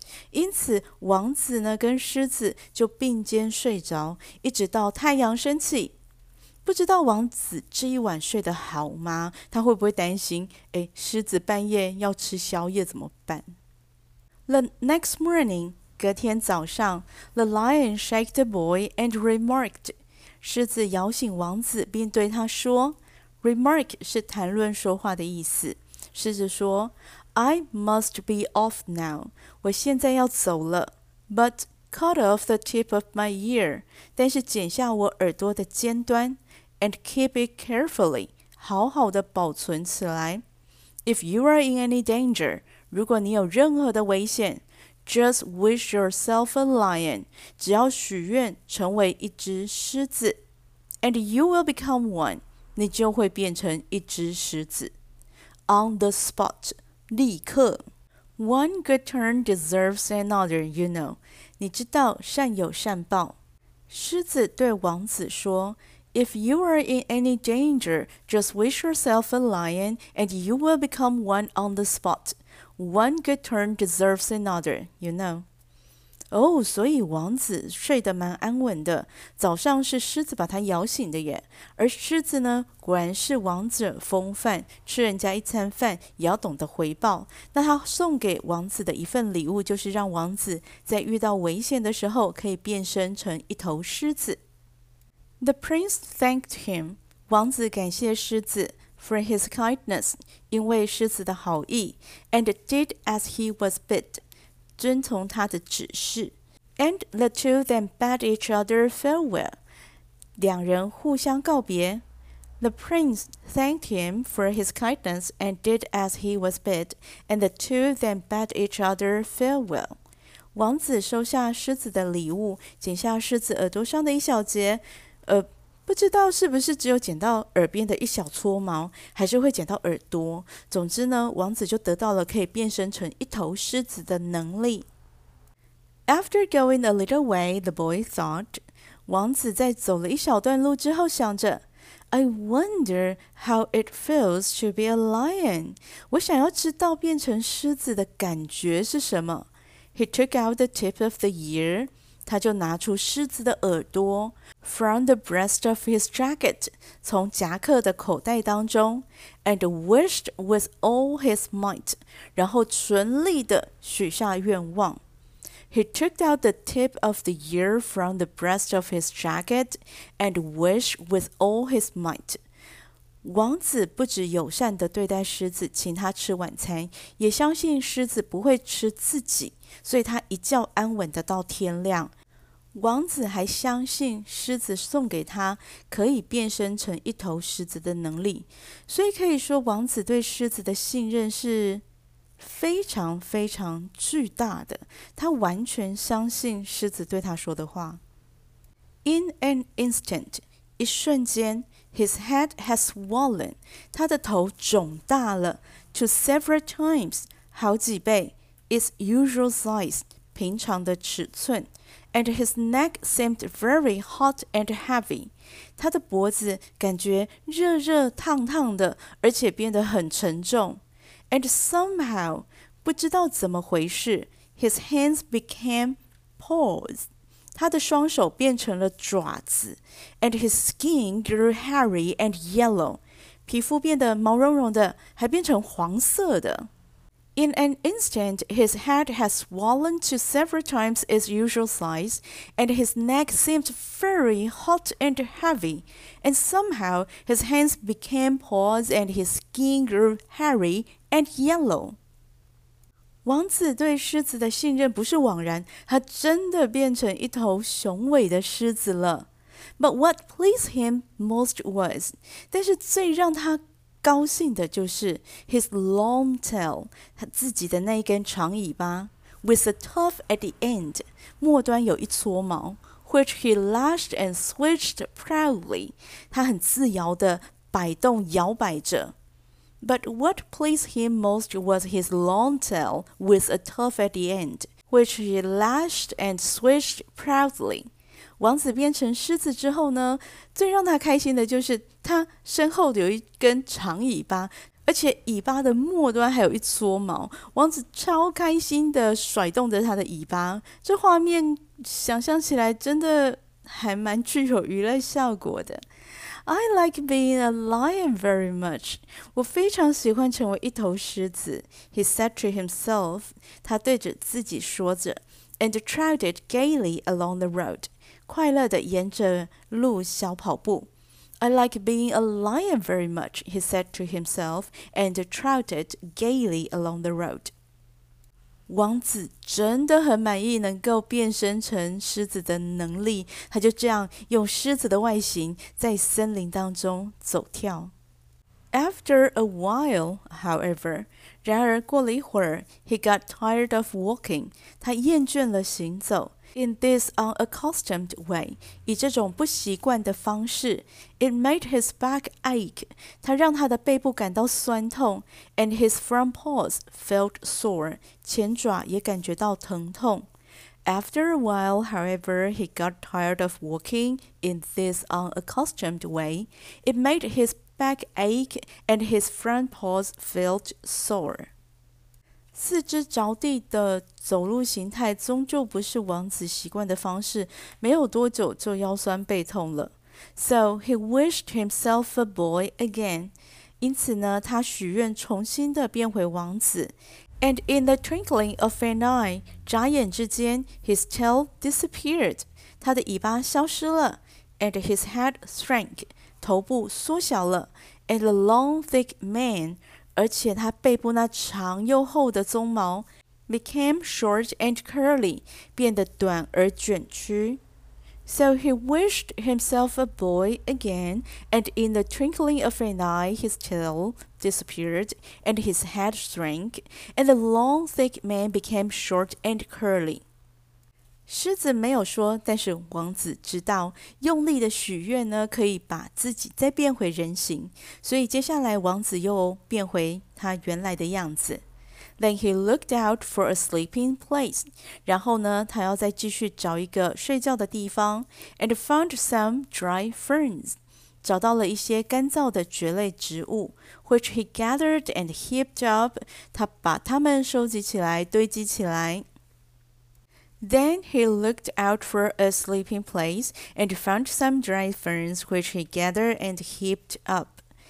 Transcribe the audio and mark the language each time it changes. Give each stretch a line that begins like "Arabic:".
Chinese: 因此，王子呢跟狮子就并肩睡着，一直到太阳升起。不知道王子这一晚睡得好吗？他会不会担心，诶，狮子半夜要吃宵夜怎么办？
English: The next morning,
Chinese: 隔天早上，
English: The lion shake the boy and remarked,
Chinese: 狮子摇醒王子并对他说， Remark 是谈论说话的意思。狮子说，
English: I must be off now,
Chinese: 我现在要走了。
English: But cut off the tip of my ear,
Chinese: 但是剪下我耳朵的尖端。
English: And keep it carefully,
Chinese: 好好的保存起来。
English: If you are in any danger,
Chinese: 如果你有任何的危险
English: ,just wish yourself a lion,
Chinese: 只要许愿成为一只狮子。
English: And you will become one,
Chinese: 你就会变成一只狮子。
English: On the spot,
Chinese: 立刻。
English: One good turn deserves another, you know.
Chinese: 你知道善有善报。狮子对王子说
English: If you are in any danger, just wish yourself a lion, and you will become one on the spot. One good turn deserves another, you know.
Chinese: 哦，所以王子睡得蛮安稳的，早上是狮子把他摇醒的耶。而狮子呢，果然是王子风范，吃人家一餐饭也要懂得回报。那他送给王子的一份礼物，就是让王子在遇到危险的时候可以变身成一头狮子。
English: The prince thanked him,
Chinese: 王子感谢狮子
English: for his kindness,
Chinese: 因为狮子的好意
English: and did as he was bid,
Chinese: 遵从他的指示
English: and the two then bade each other farewell,
Chinese: 两人互相告别
English: The prince thanked him for his kindness and did as he was bid, and the two then bade each other farewell.
Chinese: 王子收下狮子的礼物，剪下狮子耳朵上的一小节，不知道是不是只有剪到耳边的一小撮毛，还是会剪到耳朵。总之呢，王子就得到了可以变身成一头狮子的能力。
English: After going a little way, the boy thought,
Chinese: 王子在走了一小段路之后想着
English: I wonder how it feels to be a lion.
Chinese: 我想要知道变成狮子的感觉是什么。
English: He took out the tip of the ear,
Chinese: 他就拿出狮子的耳朵
English: from the breast of his jacket,
Chinese: 从夹克的口袋当中
English: and wished with all his might,
Chinese: 然后全力的许下愿望。
English: He took out the tip of the ear from the breast of his jacket and wished with all his might.
Chinese: 王子不只友善地对待狮子，请他吃晚餐，也相信狮子不会吃自己，所以他一觉安稳地到天亮。王子还相信狮子送给他可以变身成一头狮子的能力，所以可以说王子对狮子的信任是非常非常巨大的，他完全相信狮子对他说的话。
English: In an instant,
Chinese: 一瞬间
English: his head has swollen,
Chinese: 他的头肿大了
English: to several times,
Chinese: 好几倍
English: its usual size,
Chinese: 平常的尺寸
English: and his neck seemed very hot and heavy,
Chinese: 他的脖子感觉热热烫烫的，而且变得很沉重。
English: And somehow,
Chinese: 不知道怎么回事,
English: his hands became paws.
Chinese: 他的双手变成了爪子,
English: and his skin grew hairy and yellow.
Chinese: 皮肤变得毛茸茸的, 还变成黄色的。
English: In an instant, his head had swollen to several times its usual size, and his neck seemed very hot and heavy. And somehow, his hands became paws and his skin grew hairy and yellow.
Chinese: 王子对狮子的信任不是枉然，他真的变成一头雄伟的狮子了。
English: But what pleased him most was,
Chinese: 但是最让他高兴的就是
English: his long tail,
Chinese: 他自己的那一根长尾巴
English: with a tuft at the end,
Chinese: 末端有一撮毛
English: which he lashed and switched proudly,
Chinese: 他很自由地摆动摇摆着。
English: But what pleased him most was his long tail with a tuft at the end, which he lashed and switched proudly.
Chinese: 王子变成狮子之后呢，最让他开心的就是他身后有一根长尾巴，而且尾巴的末端还有一撮毛。王子超开心的甩动着他的尾巴，这画面想象起来真的还蛮具有娱乐效果的。
English: I like being a lion very much.
Chinese: 我非常喜欢成为一头狮子。
English: He said to himself,
Chinese: 他对着自己说着
English: and trotted gaily along the road.
Chinese: 快乐地沿着路小跑步。
English: I like being a lion very much, he said to himself, and trotted gaily along the road.
Chinese: 王子真的很满意能够变身成狮子的能力，他就这样用狮子的外形在森林当中走跳。
English: After a while, however,
Chinese: 然而过了一会儿
English: he got tired of walking,
Chinese: 他厌倦了行走。
English: In this unaccustomed way,
Chinese: 以这种不习惯的方式
English: it made his back ache,
Chinese: 他让他的背部感到酸痛
English: and his front paws felt sore,
Chinese: 前爪也感觉到疼痛。
English: After a while, however, he got tired of walking in this unaccustomed way, it made his back ache and his front paws felt sore.
Chinese: 四肢着地的走路形态终究不是王子习惯的方式，没有多久就腰酸背痛了。
English: So he wished himself a boy again.
Chinese: 因此呢，他许愿重新的变回王子。
English: And in the twinkling of an eye,
Chinese: 眨眼之间
English: his tail disappeared.
Chinese: 他的尾巴消失了。
English: And his head shrank,
Chinese: 头部缩小了。
English: And the long thick mane,
Chinese: 而且他背部那长又厚的鬃毛
English: became short and curly,
Chinese: 变得短而卷曲。
English: So he wished himself a boy again, and in the twinkling of an eye, his tail disappeared, and his head shrank, and the long thick mane became short and curly.
Chinese: 狮子没有说，但是王子知道，用力的许愿呢，可以把自己再变回人形。所以接下来王子又变回他原来的样子。
English: Then he looked out for a sleeping place.
Chinese: 然后呢，他要再继续找一个睡觉的地方。
English: And found some dry ferns.
Chinese: 找到了一些干燥的蕨类植物。
English: Which he gathered and heaped up.
Chinese: 他把它们收集起来，堆积起来。
English: Then he looked out for a sleeping place and found some dry ferns which he gathered and heaped up.